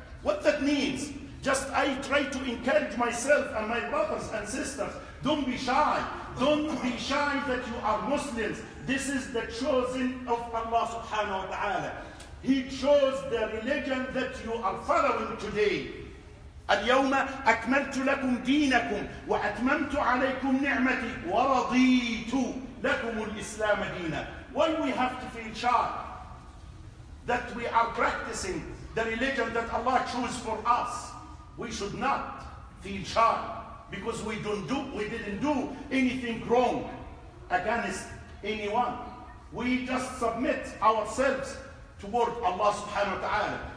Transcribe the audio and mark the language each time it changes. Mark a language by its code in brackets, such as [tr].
[en] What that means, just I try to encourage myself and my brothers and sisters, don't be shy. Don't be shy that you are Muslims. This is the chosen of Allah subhanahu wa ta'ala. He chose the religion that you are following today. [ar] اليوم أكملت لكم دينكم وأتممت عليكم نعمتي ورضيت لكم الإسلام دينا. [en] Why we have to feel shy that we are practicing the religion that Allah chose for us? We should not feel shy because we didn't do anything wrong against anyone. We just submit ourselves toward Allah subhanahu wa ta'ala.